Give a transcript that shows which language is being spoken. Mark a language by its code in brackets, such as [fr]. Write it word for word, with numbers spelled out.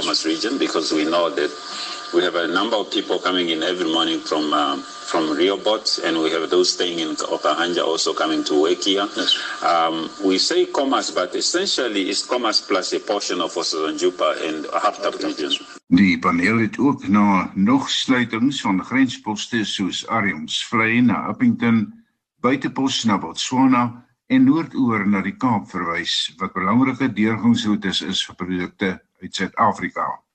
[en] Commerce region, because we know that we have a number of people coming in every morning from um, from Rehoboth, and we have those staying in Okahanja also coming to work here. Yes. Um, we say commerce, but essentially it's commerce plus a portion of Osazanjupa and Haptap region. [af] Die paneel het ook na nog sluitings van grensposte soos Ariomsvlei na Uppington buitepos na Botswana en noordoor na die Kaap verwys, wat belangrike deurgangsroetes is vir produkte uit Suid-Afrika.